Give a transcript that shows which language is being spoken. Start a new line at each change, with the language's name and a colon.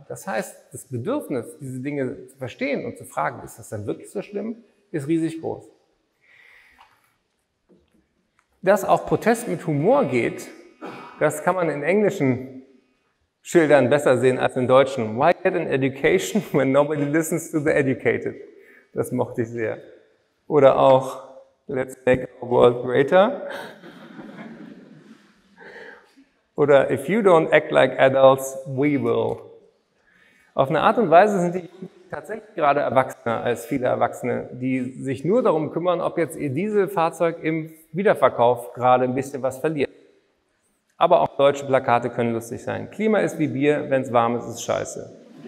German: Das heißt, das Bedürfnis, diese Dinge zu verstehen und zu fragen, ist das denn wirklich so schlimm, ist riesig groß. Dass auch Protest mit Humor geht, das kann man in englischen Schildern besser sehen als in deutschen.
English: Why get an education when nobody listens to the educated?
German: Das mochte ich sehr. Oder auch
English: Let's make our world greater. Oder if you don't act like adults, we will.
German: Auf eine Art und Weise sind die tatsächlich gerade erwachsener als viele Erwachsene, die sich nur darum kümmern, ob jetzt ihr Dieselfahrzeug im Wiederverkauf gerade ein bisschen was verliert. Aber auch deutsche Plakate können lustig sein. Klima ist wie Bier, wenn es warm ist, ist es scheiße.